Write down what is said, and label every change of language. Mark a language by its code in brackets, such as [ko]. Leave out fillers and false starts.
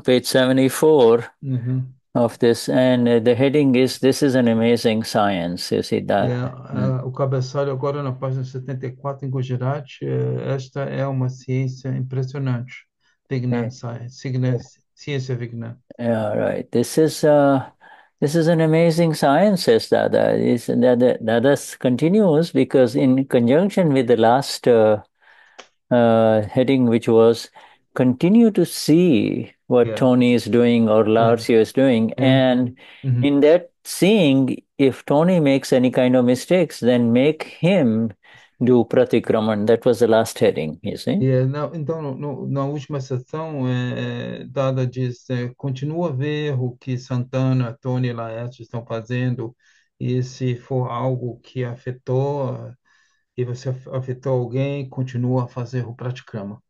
[en] page 74 of this, and the heading is "This is an amazing science." You see that? [pt] O cabeçalho agora na página 74 em Gujarati, esta é uma ciência impressionante. Vignan Science, ciência Vignan. [en] Right. This is an amazing science, says Dada. Dada continues because, in conjunction with the last heading, which was "Continue to see what Tony is doing or Lars is doing," and in that seeing, if Tony makes any kind of mistakes, then make him do pratikraman. That was the last heading, you see. [pt] Na última sessão, Dada diz, continua a ver o que Santana, Tony e Laerte estão fazendo, e se for algo que afetou, e você afetou alguém, continua a fazer o pratikrama.